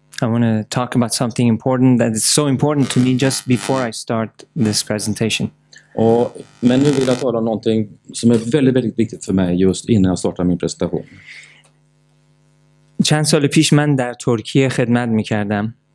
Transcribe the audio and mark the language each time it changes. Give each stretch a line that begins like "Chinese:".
English: I want to talk about something important that is so important to me just before I start this presentation.
Swedish: Och men nu vill jag tala om någonting som är väldigt väldigt viktigt för mig just innan jag startar min presentation.
Persian: چند سال پیش من در ترکیه خدمت می‌کردم.